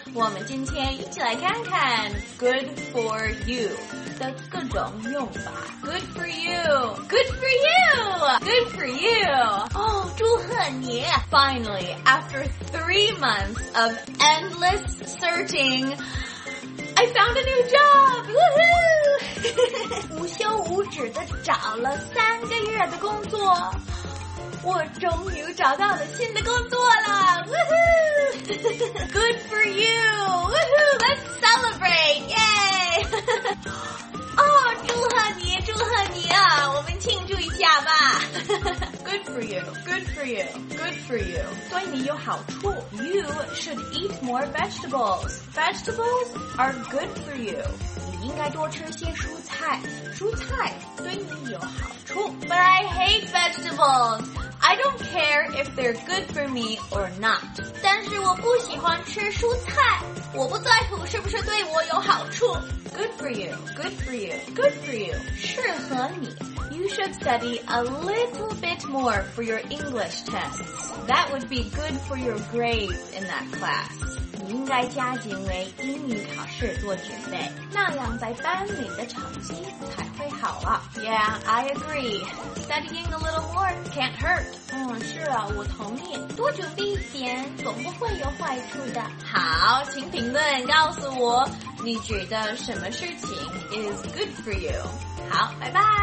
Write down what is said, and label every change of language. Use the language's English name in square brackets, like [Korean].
[Chinese] 我们今天一起来看看 Good for you 的各种用法。 [English] Good for you, good for you, good for you. [Chinese] 哦，祝贺你。 [English] Finally, after 3 months of endless searching, I found a new job. Woohoo! [Chinese] 无休无止的找了3个月的工作。我终于找到了新的工作了 ，Woohoo! [English] Good for you, Woohoo! Let's celebrate, Yay! [Chinese] 哦，祝贺你，祝贺你啊！我们庆祝一下吧。 [English] Good for you, good for you, good for you. [Chinese] 对你有好处。 [English] You should eat more vegetables. Vegetables are good for you. [Chinese] 你应该多吃些蔬菜，蔬菜对你有好处。 [English] But I hate vegetables. I don't care if they're good for me or not. [Chinese] 但是我不喜欢吃蔬菜，我不在乎是不是对我有好处。 [English] Good for you, good for you, good for you. [Chinese] 适合你。 [English] You should study a little bit more for your English tests. That would be good for your grades in that class. [Chinese] 你应该加紧为英语考试做准备，那样在班里的成绩才会好啊。 [English] Yeah, I agree. Studying a little more can't hurt. [Chinese] 嗯，是啊，我同意。多准备一点总不会有坏处的。好，请评论告诉我，你觉得什么事情 [English] is good for you? [Chinese] 好，拜拜。